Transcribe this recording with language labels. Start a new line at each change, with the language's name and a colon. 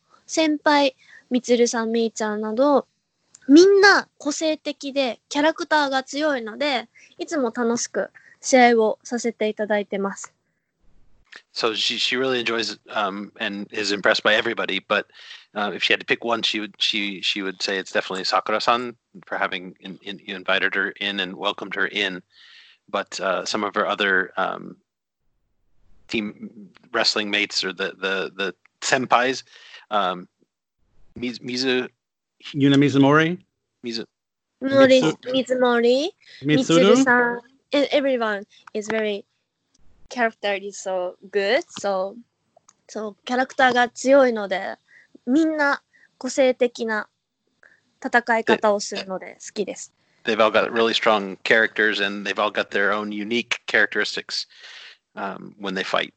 Japanese: みんなすごいと思うんですけど、やっぱりデビューをさせていただいたのが、さくらさんなので、さくらさんと試合をするときが一番やっぱ緊張しますし、倒したいなって思っていつも戦っているんですが、水森さんや他の先輩、みつるさん、みーちゃんなど、 みんな個性的でキャラクターが強いので、いつも楽しく試合をさせていただいてます。
English: So she really enjoys and is impressed by everybody, but if she had to pick one, she would say it's definitely Sakura-san for having you invited her in and welcomed her in. But some of her other team wrestling mates or the senpais, Mizumori, Mitsuru-san, everyone is very character is so good. So
Japanese: キャラクターが強いので、みんな個性的な戦い方をするので好きです。
English: They've all got really strong characters and they've all got their own unique characteristics when they fight.